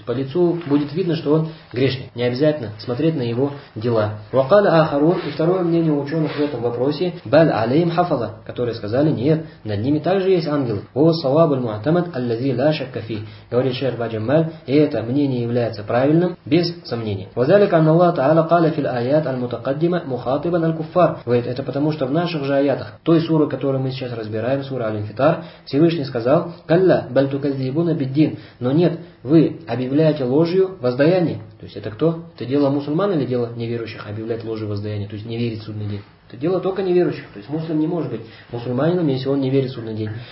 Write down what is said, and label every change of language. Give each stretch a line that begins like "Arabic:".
Russian: По лицу будет видно, что он грешник. Не обязательно смотреть на его дела.
Arabic: «Вакаля ахарун»,
Russian: и второе мнение ученых в этом вопросе:
Arabic: «Баль алейм хафаза»,
Russian: которые сказали: «Нет, над ними также есть ангелы».
Arabic: «О савабуль муатамад аллази ла шакка фи»,
Russian: говорит шейх Баджамаль, и это мнение является правильным. Без сомнений.
Arabic: وذلك أن الله تعالى قال في الآيات المتقدمة مخاطبا الكفار.
Russian: Говорит, это потому, что в наших же аятах, той суры, которую мы сейчас разбираем, сура Аль-Инфитар, Всевышний сказал:
Arabic: «Калля, бель туказзибуна бид-дин».
Russian: Но нет, вы объявляете ложью воздаяние. То есть это кто? Это дело мусульман или дело неверующих объявлять ложью воздаяние? То есть не верить в судный день. Это дело только неверующих. То есть муслим не может быть мусульманином, если он не верит в судный день.